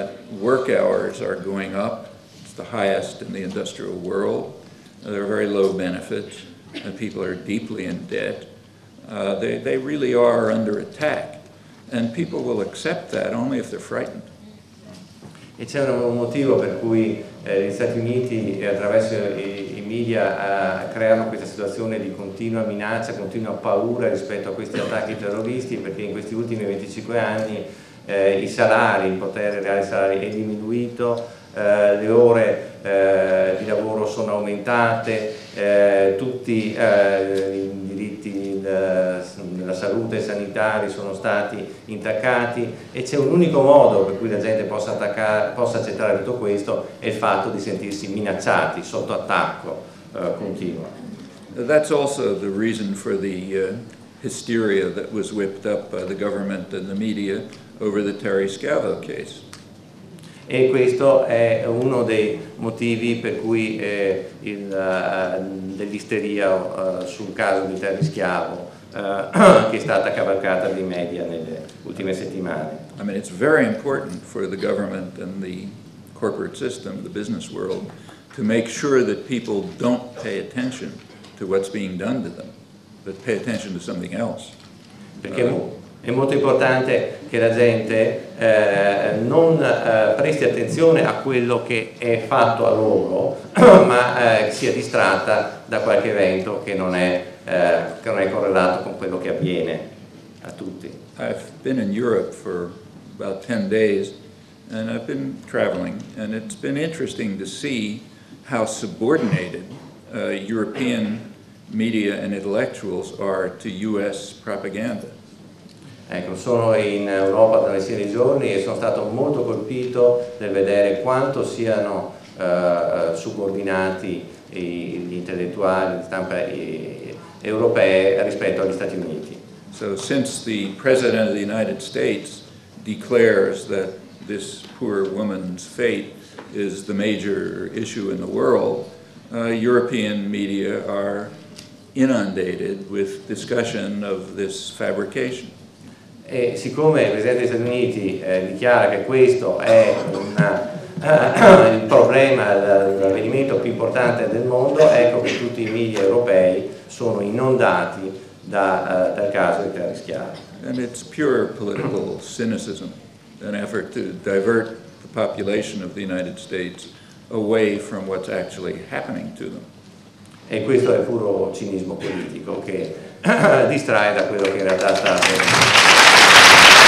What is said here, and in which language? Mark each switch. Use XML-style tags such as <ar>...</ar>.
<en>Work hours are going up. It's the highest in the industrial world. There are very low benefits. People are deeply in debt. They really are under attack. And people will accept that only if they're frightened.</en> <it>E c'è un motivo per cui gli Stati Uniti attraverso i media creano questa situazione di continua minaccia, continua paura rispetto a questi attacchi terroristi, perché in questi ultimi 25 anni i salari, il potere reale dei salari è diminuito, le ore di lavoro sono aumentate, tutti i diritti della salute e sanitari sono stati intaccati, e c'è un unico modo per cui la gente possa accettare tutto questo, è il fatto di sentirsi minacciati, sotto attacco continuo.</it> <en>That's also the reason for the hysteria that was whipped up by the government and the media over the Terry Schiavo case.</en> <it>E questo è uno dei motivi per cui dell'isteria sul caso di Terry Schiavo che è stata cavalcata di media nelle ultime settimane.</it> <en>I mean, it's very important for the government and the corporate system, the business world, to make sure that people don't pay attention to what's being done to them, but pay attention to something else.</en> <it>È molto importante che la gente non presti attenzione a quello che è fatto a loro, ma sia distratta da qualche evento che non è correlato con quello che avviene a tutti.</it> <en>I've been in Europe for about 10 days and I've been traveling, and it's been interesting to see how subordinated European media and intellectuals are to US propaganda.</en> <it>Ecco, sono in Europa da una serie di giorni e sono stato molto colpito nel vedere quanto siano subordinati gli intellettuali di stampa europee rispetto agli Stati Uniti.</it> <en>So, since the President of the United States declares that this poor woman's fate is the major issue in the world, European media are inundated with discussion of this fabrication.</en> <it>E siccome il Presidente degli Stati Uniti dichiara che questo è il problema, l'avvenimento più importante del mondo, ecco che tutti i media europei sono inondati dal caso di Terry Schiavo.</it> <en>And it's pure political cynicism, an effort to divert the population of the United States away from what's actually happening to them.</en> <it>E questo è puro cinismo politico che distrae da quello che in realtà sta avvenendo.</it>